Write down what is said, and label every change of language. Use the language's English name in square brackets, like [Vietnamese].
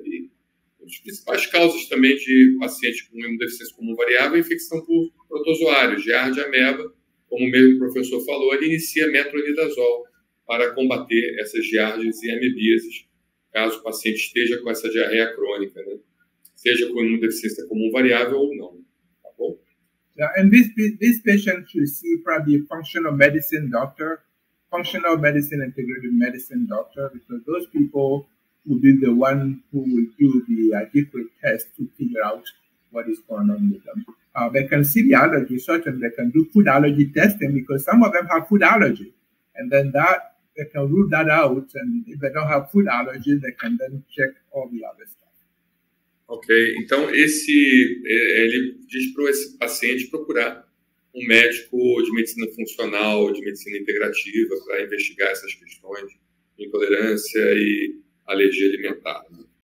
[Portuguese] E as principais causas também de paciente com imunodeficiência comum variável é a infecção por protozoários, GR de ameba, como mesmo o professor falou, ele inicia metronidazol para combater essas giardias e amebíases, caso o paciente esteja com essa diarreia crônica, né? Seja com imunodeficiência comum variável ou não. [English] Yeah, and this patient should see probably a functional medicine doctor, functional medicine integrative medicine doctor, because those people will be the one who will do the adequate test to figure out what is going on with them. They can see the allergy, certainly they can do food allergy testing because some of them have food allergy. And then that they can rule that out, and if they don't have food allergy, they can then check all the other stuff. [Portuguese] Ok, então esse ele diz para esse paciente procurar um médico de medicina funcional, de medicina integrativa, para investigar essas questões de intolerância e alergia alimentar.